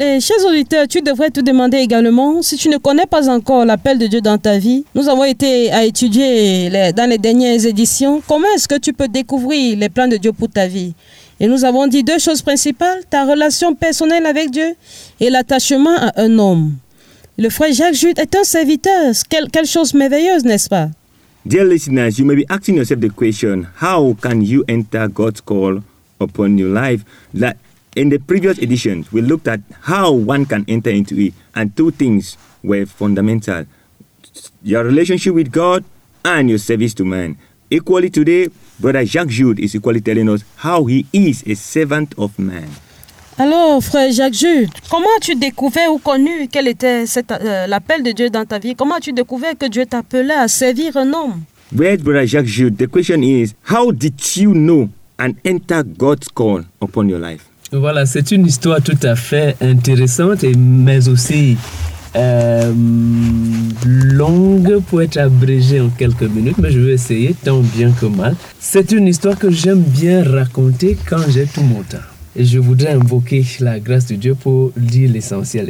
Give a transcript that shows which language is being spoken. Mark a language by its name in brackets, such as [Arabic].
[French] Et chers auditeurs, tu devrais te demander également, si tu ne connais pas encore l'appel de Dieu dans ta vie, nous avons été à étudier dans les dernières éditions, comment est-ce que tu peux découvrir les plans de Dieu pour ta vie? Et nous avons dit deux choses principales, ta relation personnelle avec Dieu et l'attachement à un homme. Le frère Jacques Jude est un serviteur. Quelle chose merveilleuse, n'est-ce pas? [English] Dear listeners, you may be asking yourself the question, how can you enter God's call upon your life? That in the previous editions, we looked at how one can enter into it, and two things were fundamental. Your relationship with God and your service to man. Equally today, Brother Jacques Jude is equally telling us how he is a servant of man. [French] Alors, frère Jacques Jude, comment as-tu découvert ou connu quel était l'appel de Dieu dans ta vie? Comment as-tu découvert que Dieu t'appelait à servir un homme? [English] Well, brother Jacques Jude, the question is, how did you know and enter God's call upon your life? [French] Voilà, c'est une histoire tout à fait intéressante, mais aussi longue pour être abrégée en quelques minutes, mais je vais essayer tant bien que mal. C'est une histoire que j'aime bien raconter quand j'ai tout mon temps. Et je voudrais invoquer la grâce de Dieu pour dire l'essentiel.